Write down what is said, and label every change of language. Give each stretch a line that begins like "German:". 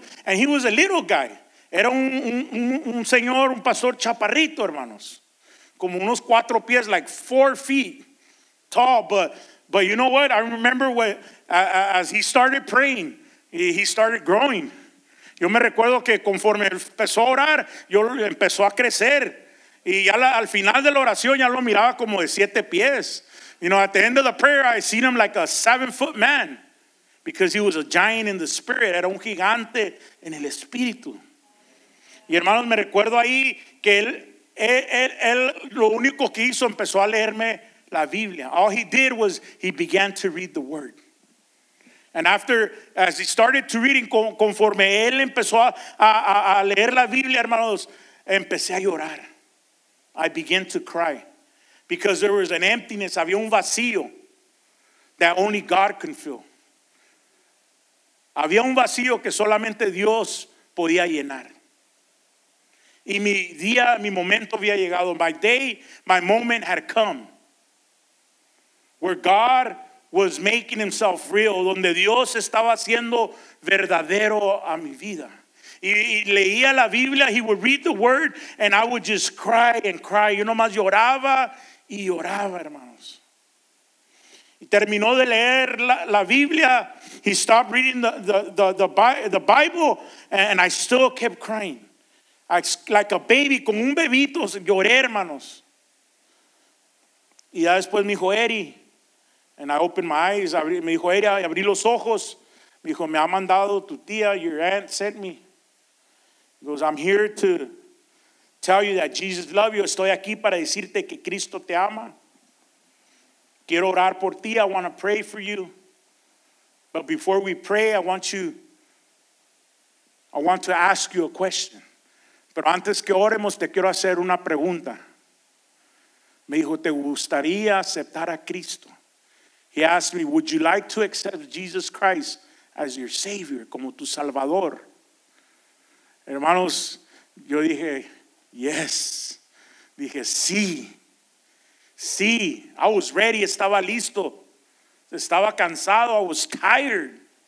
English: He was a little guy.
Spanish: Era un señor, un pastor chaparrito, hermanos, como unos cuatro pies,
English: like 4 feet tall. But you know what? I remember as he started praying, he started growing.
Spanish: Yo me recuerdo que conforme empezó a orar, yo empezó a crecer. Y ya al final de la oración ya lo miraba como de 7 pies.
English: You know, at the end of the prayer, I seen him like a 7-foot man. Because he was a giant in the spirit.
Spanish: Era un gigante en el espíritu. Y hermanos, me recuerdo ahí que él lo único que hizo, empezó a leerme la Biblia.
English: All he did was he began to read the word. And after, as he started to reading,
Spanish: conforme él empezó a leer la Biblia, hermanos, empecé a llorar.
English: I began to cry. Because there was an emptiness,
Spanish: había un vacío
English: that only God can fill.
Spanish: Había un vacío que solamente Dios podía llenar. Y mi día, mi momento había llegado.
English: My day, my moment had come. Where God was making himself real.
Spanish: Donde Dios estaba haciendo verdadero a mi vida. Y leía la Biblia.
English: He would read the word and I would just cry and cry.
Spanish: Yo nomás lloraba y lloraba, hermanos. Y terminó de leer la Biblia.
English: He stopped reading the Bible and I still kept crying. Like a baby,
Spanish: como un bebito, lloré, hermanos. Y ya después me dijo, Eri,
English: and I opened my eyes,
Spanish: me dijo, Eri, abrí los ojos. Me dijo, me ha mandado tu tía,
English: your aunt sent me. He goes, I'm here to tell you that Jesus loves you.
Spanish: Estoy aquí para decirte que Cristo te ama. Quiero orar por ti,
English: I want to pray for you. But before we pray, I want to ask you a question.
Spanish: Pero antes que oremos, te quiero hacer una pregunta. Me dijo, ¿te gustaría aceptar a Cristo?
English: He asked me, would you like to accept Jesus Christ as your Savior,
Spanish: como tu Salvador? Hermanos, yo dije,
English: yes.
Spanish: Dije, sí.
English: Sí, I was ready,
Spanish: estaba listo. Estaba cansado,
English: I was tired.